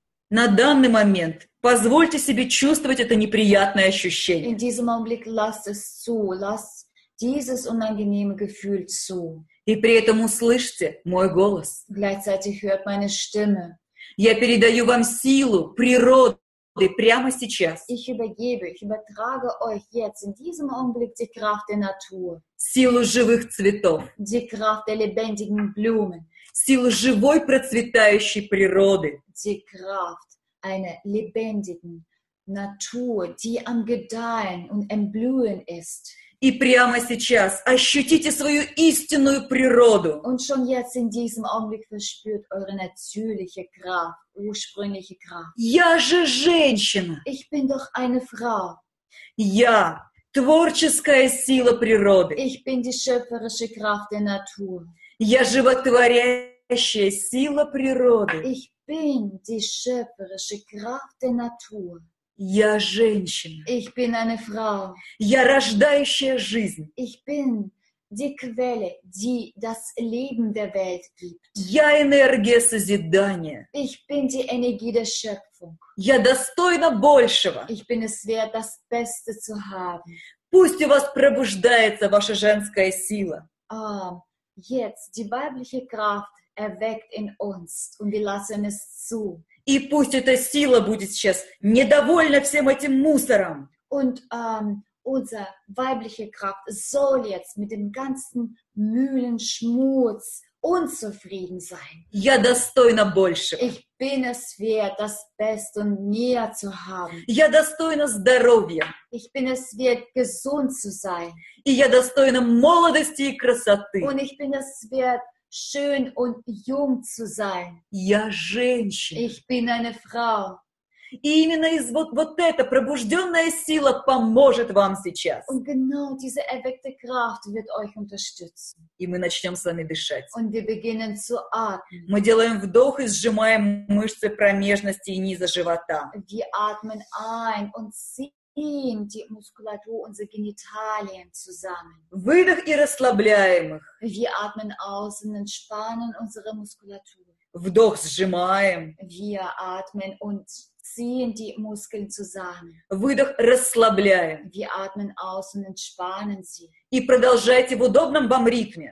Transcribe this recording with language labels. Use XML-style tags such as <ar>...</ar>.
<ru>На данный момент позвольте себе чувствовать это неприятное ощущение.</ru> <de>In diesem Augenblick lasst es zu, lasst dieses unangenehme Gefühl zu.</de> <ru>И при этом услышьте мой голос.</ru> <de>Gleichzeitig hört meine Stimme.</de> <ru>Я передаю вам силу, природу. И прямо сейчас.</ru> <de>Ich übergebe, ich übertrage euch jetzt in diesem Augenblick die Kraft der Natur.</de> <ru>Силу живых цветов.</ru> <de>Die Kraft der lebendigen Blumen.</de> <ru>Силу живой процветающей природы.</ru> <de>Die Kraft einer lebendigen Natur, die am Gedeihen und Entblühen ist.</de> <ru>И прямо сейчас ощутите свою истинную природу.</ru> <de>Und schon jetzt in diesem Augenblick verspürt eure natürliche Kraft. Ursprüngliche Kraft.</de> <ru>Я же женщина.</ru> <de>Ich bin doch eine Frau.</de> <ru>Я творческая сила природы.</ru> <de>Ich bin die schöpferische Kraft der Natur.</de> <ru>Я животворящая сила природы.</ru> <de>Ich bin die schöpferische Kraft der Natur.</de> <ru>Я женщина.</ru> <de>Ich bin eine Frau.</de> <ru>Я рождающая жизнь.</ru> <de>Ich bin die Quelle, die das Leben der Welt gibt.</de> <ru>Я энергия созидания.</ru> <de>Ich bin die Energie der Schöpfung.</de> <ru>Я достойна большего.</ru> <de>Ich bin es wert, das Beste zu haben.</de> <ru>Пусть у вас пробуждается ваша женская сила.</ru> <de>Jetzt die weibliche Kraft erweckt in uns und wir lassen es zu.</de> <ru>И пусть эта сила будет сейчас недовольна всем этим мусором.</ru> <de>Und unsere weibliche Kraft soll jetzt mit dem ganzen Mühlenschmutz unzufrieden sein.</de> <ru>Я достойна большего.</ru> <de>Ich bin es wert, das Beste und mehr zu haben.</de> <ru>Я достойна здоровья.</ru> <de>Ich bin es wert, gesund zu sein.</de> <ru>И я достойна молодости и красоты.</ru> <de>Und ich bin es wert, schön und jung zu sein.</de> <ru>Я женщина.</ru> <de>Ich bin eine Frau.</de> <ru>И именно из вот, вот эта пробужденная сила поможет вам сейчас.</ru> <de>Und genau diese erweckte Kraft wird euch unterstützen.</de> <ru>И мы начнем с вами дышать.</ru> <de>Und wir beginnen zu atmen.</de> <ru>Мы делаем вдох и сжимаем мышцы промежности и низа живота.</ru> <de>Wir atmen ein und ziehen die Muskulatur unserer Genitalien zusammen.</de> <ru>Выдох и расслабляем их.</ru> <de>Wir atmen aus und entspannen unsere Muskulatur.</de> <ru>Вдох сжимаем.</ru> <de>Wir atmen und ziehen die Muskeln zusammen.</de> <ru>Выдох расслабляем.</ru> <de>Wir atmen aus und entspannen sie.</de> <ru>И продолжайте в удобном вам ритме.</ru>